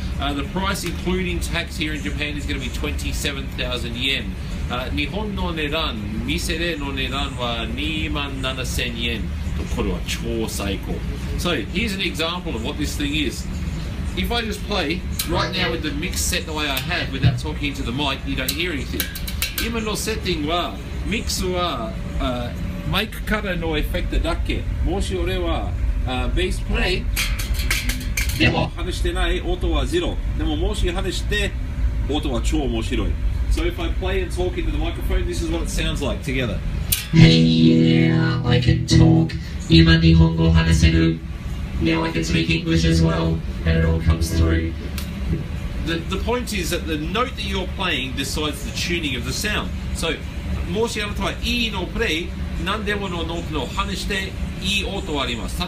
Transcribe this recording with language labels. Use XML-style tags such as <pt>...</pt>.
<en>The price, including tax here in Japan, is going to be 27,000 yen.</en> <ja>日本の値段、店での値段は2万7000円。これは超最高。</ja> <en>So here's an example of what this thing is. If I just play, right now with the mix set the way I have, without talking into the mic, you don't hear anything.</en> <ja>今のセッティングは、ミックスは、マイクからのエフェクトだけ。もし俺は、ベースプレイ、でも話してない、音はゼロ。でももし話して、音は超面白い。</ja> <en>So if I play and talk into the microphone, this is what it sounds like together. Hey, yeah, I can talk.</en> <ja>今日本語話せる。</ja> <en>Now I can speak English as well, and it all comes through. The point is that the note that you're playing decides the tuning of the sound.</en> <ja>So, もしあなたはいいのプレイ、何でものノートの話して、いい音あります。</ja>